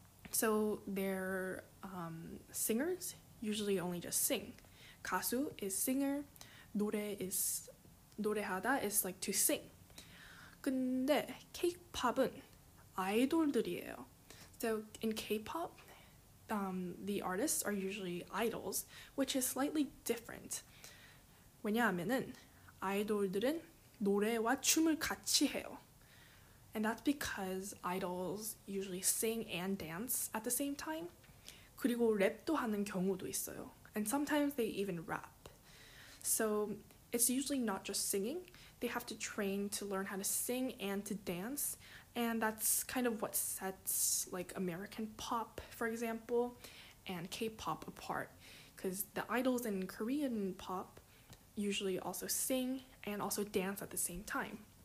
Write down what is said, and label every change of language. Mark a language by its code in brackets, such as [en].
[en] So their singers usually only just sing. 가수 is singer, [ko] 노래하다 [en] is like to sing. [ko] 근데 K-pop은 아이돌들이에요. [en] So in K-pop, the artists are usually idols, which is slightly different. [ko] 왜냐하면은 아이돌들은 노래와 춤을 같이 해요. [en] And that's because idols usually sing and dance at the same time. [ko] 그리고 랩도 하는 경우도 있어요. [en] And sometimes they even rap. So it's usually not just singing. They have to train to learn how to sing and to dance. And that's kind of what sets like American pop, for example, and K-pop apart. Because the idols in Korean pop usually also sing and also dance at the same time.